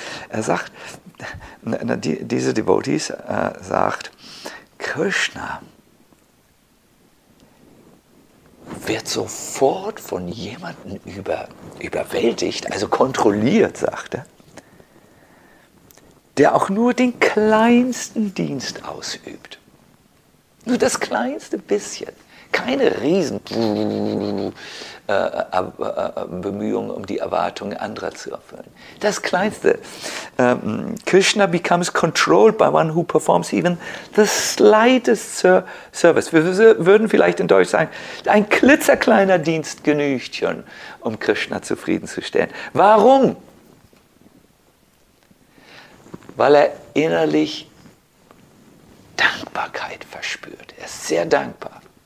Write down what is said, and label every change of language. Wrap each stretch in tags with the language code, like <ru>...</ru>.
<de>Er sagt, diese Devotees sagt, Krishna wird sofort von jemandem überwältigt, also kontrolliert, sagt er, der auch nur den kleinsten Dienst ausübt. Nur das kleinste bisschen. Keine riesen Bemühungen, um die Erwartungen anderer zu erfüllen. Das Kleinste.</de> <en>Krishna becomes controlled by one who performs even the slightest service.</en> <de>Wir würden vielleicht in Deutsch sagen, ein klitzekleiner Dienst genügt schon, um Krishna zufriedenzustellen. Warum? Weil er innerlich Dankbarkeit verspürt. Er ist sehr dankbar.</de>